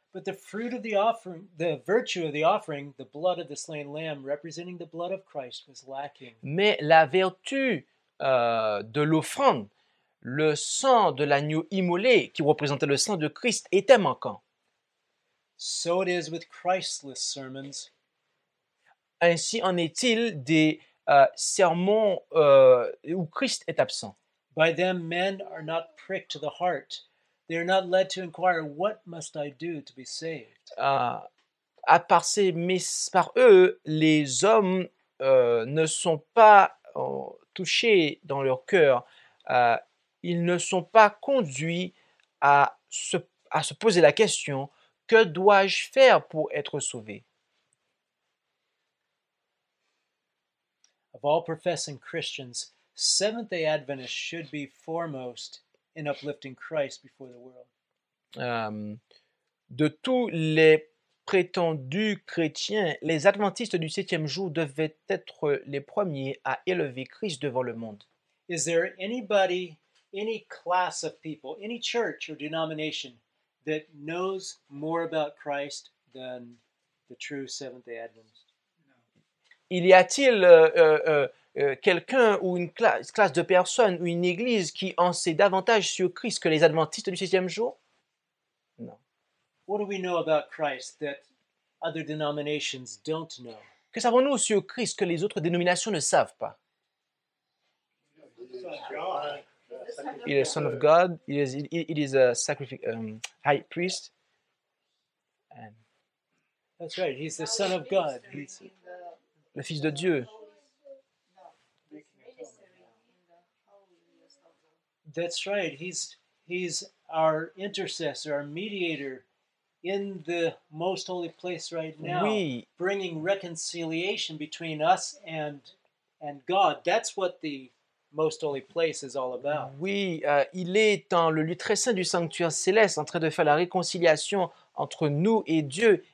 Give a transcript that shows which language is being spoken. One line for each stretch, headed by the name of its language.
English: But the fruit of the offering, the virtue of the offering, the blood of the slain lamb representing the blood of Christ was lacking.
French: Mais la vertu de l'offrande, le sang de l'agneau immolé qui représentait le sang de Christ était manquant.
English: So it is with Christless sermons.
French: Ainsi en est-il des sermons où Christ est absent.
English: By them men are not pricked to the heart. They are not led to inquire what must I do to be saved.
French: Par eux, les hommes ne sont pas touchés dans leur cœur. Ils ne sont pas conduits à se poser la question que dois-je faire pour être sauvé.
English: Of all professing Christians, Seventh-day Adventists should be foremost in uplifting Christ before the world.
French: De tous les prétendus chrétiens, les adventistes du septième jour devaient être les premiers à élever Christ devant le monde.
English: Is there anybody any class of people, any church or denomination that knows more about Christ than the true Seventh-day Adventist?
French: Il y a-t-il quelqu'un ou une classe de personnes ou une église qui en sait davantage sur Christ que les adventistes du sixième jour? Non.
English: What do we know about Christ that other denominations don't know?
French: Que savons-nous sur Christ que les autres dénominations ne savent pas? Il est
English: Son of God.
French: Il est un
English: high priest. And that's right. He's the Son of God. He's
French: le Fils de Dieu.
English: That's right. He's our intercessor, our mediator in the most holy place right now,
French: oui.
English: Bringing reconciliation between us and God. That's what the most holy place is all about.
French: Oui, il est dans le lieu très saint du sanctuaire céleste en train de faire la réconciliation entre nous et Dieu.